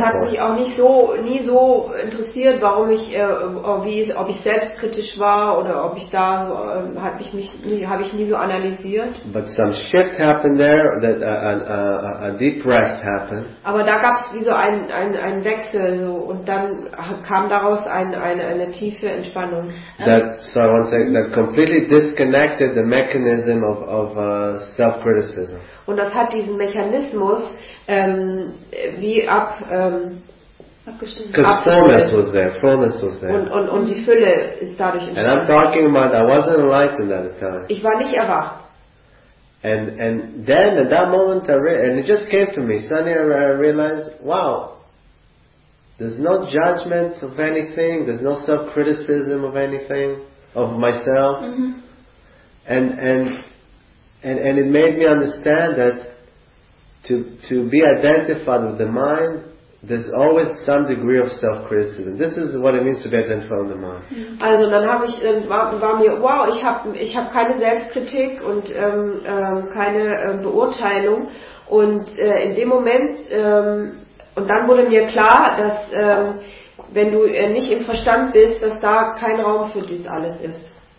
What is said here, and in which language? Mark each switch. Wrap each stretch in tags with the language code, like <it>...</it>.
<de>Es hat mich auch nie so interessiert, warum ich ob ich selbstkritisch war oder ob ich da so habe ich nie so analysiert.</de> <en>But some shift happened there, that a deep rest happened.</en> <de>Aber da gab's wie so ein Wechsel so und dann kam daraus eine tiefe Entspannung.</de> <en>That completely disconnected the mechanism of self-criticism.</en> <de>Und das hat diesen Mechanismus abgestimmt.</de> <en>Fullness was there. Fullness was there.</en> <de>Und die Fülle ist dadurch entstanden.</de> <en>And I'm talking about I wasn't enlightened at the time.</en> <de>Ich war nicht erwacht.</de> <en>And then at that moment and it just came to me. Suddenly I realized, wow, there's no judgment of anything. There's no self-criticism of anything of myself. Mm-hmm. And it made me understand that to be identified with the mind, there's always some degree of self-criticism. This is what it means to be identified with the mind.</en> <de>Also dann habe ich war mir wow, ich habe keine Selbstkritik und keine Beurteilung und in dem Moment und dann wurde mir klar, dass wenn du nicht im Verstand bist, dass da kein Raum für dies alles ist.</de>